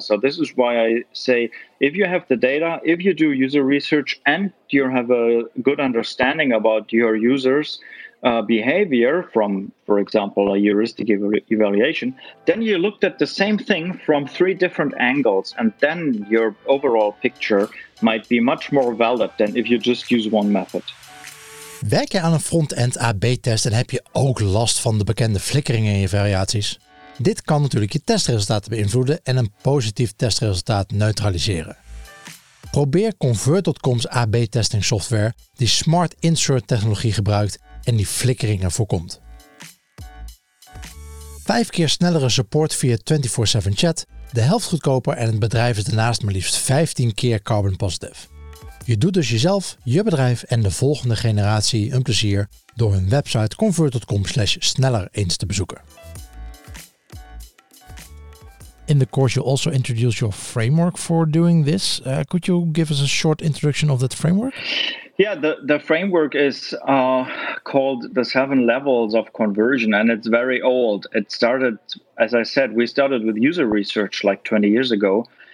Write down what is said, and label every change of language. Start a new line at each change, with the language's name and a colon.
English: So this is why I say, if you have the data, if you do user research and you have a good understanding about your users' behavior from, for example, a heuristic evaluation, then you looked at the same thing from three different angles, and then your overall picture might be much more valid than if you just use one method.
Dutch: Werk je aan een front-end AB-test en heb je ook last van de bekende flikkeringen in je variaties? Dit kan natuurlijk je testresultaten beïnvloeden en een positief testresultaat neutraliseren. Probeer Convert.com's AB-testing software die Smart Insert technologie gebruikt en die flikkeringen voorkomt. 5 keer snellere support via 24/7 chat, de helft goedkoper en het bedrijf is daarnaast maar liefst 15 keer carbon positive. Je doet dus jezelf, je bedrijf en de volgende generatie een plezier door hun website convert.com/sneller eens te bezoeken.
English: In the course you also introduce your framework for doing this. Could you give us a short introduction of that framework? Yeah, the framework is called the 7 levels of conversion, and it's very old. It started, as I said, we started with user research like 20 years ago.